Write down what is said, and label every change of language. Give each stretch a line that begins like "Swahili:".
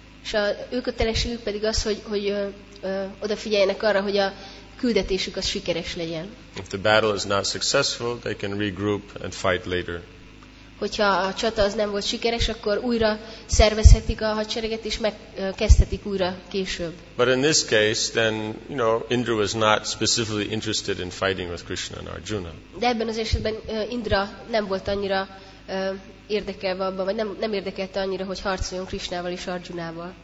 Hungarian: És a ő kötelességük pedig az, hogy odafigyeljenek arra, hogy a küldetésük az sikeres legyen.
English: If the battle is not successful, they can regroup and fight later.
Hungarian: hogyha a csata az nem volt sikeres, akkor újra szervezhetik a hadsereget és megkezdhetik újra később.
English: But in this case, then, you know, Indra was not specifically interested in fighting with Krishna and Arjuna.
Hungarian: De ebben az esetben Indra nem volt annyira érdekelve abban, vagy nem érdekelte annyira, hogy harcoljon Krishnával és Arjunával.